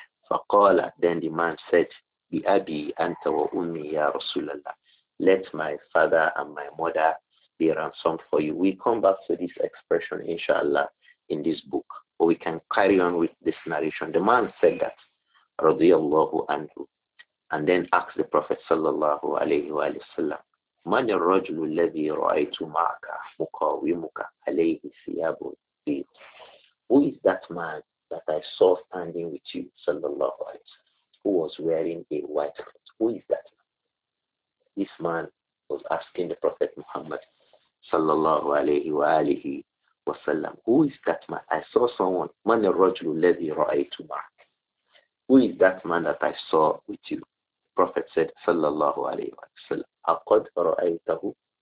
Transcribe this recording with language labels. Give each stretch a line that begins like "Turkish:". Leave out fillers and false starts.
Arabic: فقال,
English: then the man said,
Arabic: بأبي أنت وأمي يا رسول الله.
English: Let my father and my mother be ransomed for you. We come back to this expression, inshallah, in this book. Or we can carry on with this narration. The man said that,
Arabic: رضي الله عنه.
English: And then asked the Prophet
Arabic: صلى الله عليه وسلم, من الرجل الذي رأيت معك مقاومك عليه ثياب بيض.
English: Who is that man that I saw standing with you, sallallahu alayhi wa sallam, who was wearing a white cloth? Who is that man? This man was asking the Prophet Muhammad, sallallahu alayhi wa alihi wa sallam, who is that man? I saw someone,
Arabic: man ar-rajulu alladhi ra'aytu ma'ak.
English: Who is that man that I saw with you? The Prophet said, sallallahu alayhi wa sallam,
Arabic: aqad ra'aytahu